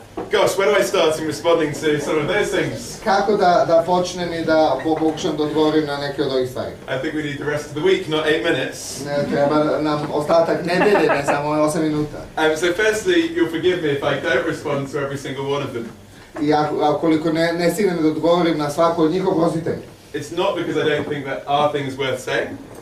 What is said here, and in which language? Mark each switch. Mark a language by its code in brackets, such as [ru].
[en] Gosh, where do I start in responding to some of those things? [sr] Kako da počnem I da pokušam da odgovorim na neke od ovih stvari? [en] I think we need the rest of the week, not 8 minutes. [sr] Ne, treba nam ostatak nedelje, ne samo 8 minuta. [en] So firstly, you'll forgive me if I don't respond to every single one of them. [sr] I ukoliko ne stignem da odgovorim na svako od njih, oprostite. [en] It's not because I don't think that our thing is worth saying.